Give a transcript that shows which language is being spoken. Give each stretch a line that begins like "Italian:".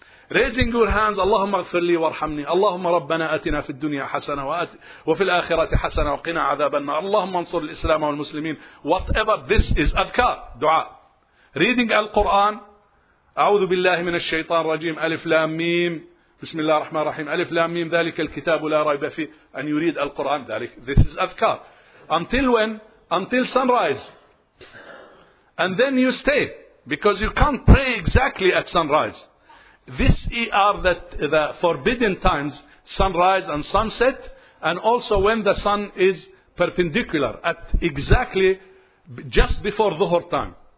English: Raising your hands,
Arabic: اللهم اغفر لي وارحمني, اللهم ربنا أتنا في الدنيا حسنة وفي الآخرة حسنة وقنا عذاب النار, اللهم انصر الإسلام والمسلمين.
English: Whatever, this is أذكار, دعاء. Reading
Arabic: القرآن, أعوذ بالله من الشيطان الرجيم, ألف لام ميم, بسم الله الرحمن الرحيم, ألف لام ميم, ذلك الكتاب لا ريب فيه, أن يريد القرآن ذلك,
English: this is
Arabic: أذكار.
English: Until when? Until sunrise. And then you stay, because you can't pray exactly at sunrise. These are the forbidden times, sunrise and sunset, and also when the sun is perpendicular, at exactly just before dhuhr time.